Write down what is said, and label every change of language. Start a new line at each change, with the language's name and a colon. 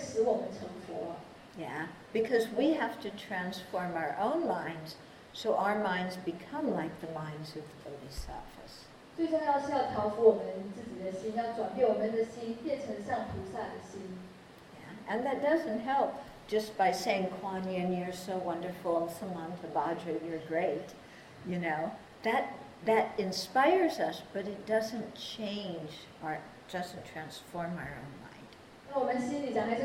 Chinese: 所以我们虽然心里可以赞叹啊，仰慕大菩萨，但是我们赞叹大菩萨不是会使我们成佛。
English: Yeah, because we have to transform our own minds so our minds become like the minds of the bodhisattvas.
Chinese: 最重要是要调伏我们自己的心，要转变我们的心，变成像菩萨的心。
English: Yeah, and that doesn't help just by saying Kuan Yin, you're so wonderful, and Samantabhadra, you're great. You know, that inspires us, but it doesn't transform our own mind.